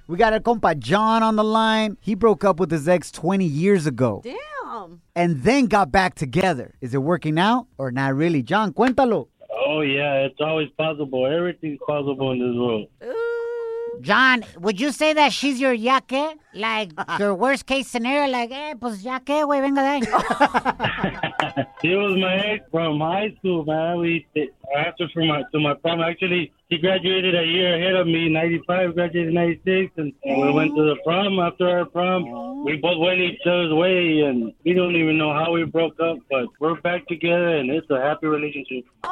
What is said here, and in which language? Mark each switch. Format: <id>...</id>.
<en>We got a compa John on the line. He broke up with his ex 20 years ago. Damn. And then got back together. Is it working out or not really? John,</en> <es>cuéntalo.</es> <en>Oh, yeah, it's always possible. Everything's possible in this world. John, would you say that she's your</en> <es>ya que?</es> <en>Like, your worst case scenario? Like,</en> <es>pues ya que, güey, venga de ahí.</es> <en>She was my ex from high school, man. We answered to my prom. Actually, she graduated a year ahead of me, 95, graduated 96, and we went to the prom after our prom. We both went each other's way, and we don't even know how we broke up, but we're back together, and it's a happy relationship.</en>